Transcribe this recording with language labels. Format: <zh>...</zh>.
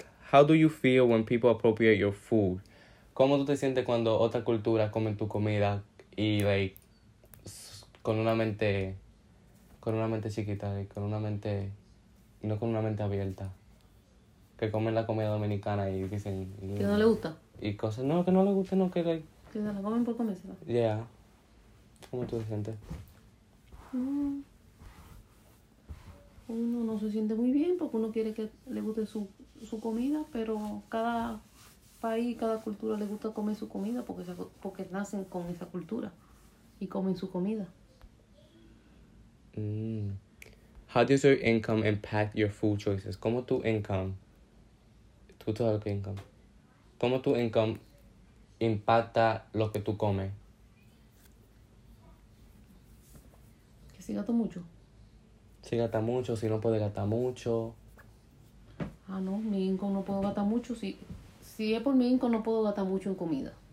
<en>How do you feel when people appropriate your food?</en> <es>¿Cómo tú te sientes cuando otra cultura come tu comida y like con una mente chiquita, like, con una mente y no con una mente abierta? Que comen la comida dominicana y dicen que no le gusta. Y cosas, no, que no le guste, no, que like, que se la comen por comérsela. Yeah. ¿Cómo tú te sientes? Uno no se siente muy bien porque uno quiere que le guste su comida, pero cada país y cada cultura le gusta comer su comida porque nacen con esa cultura y comen su comida.</es> <en>How does your income impact your food choices?</en> <es>¿Cómo tu income? ¿Tú sabes lo que income? ¿Cómo tu income impacta lo que tú comes? Que si gasto mucho. Si gasta mucho, si no puede gastar mucho. Ah, no, mi income no puedo gastar mucho. Si es por mi income, no puedo gastar mucho en comida.</es>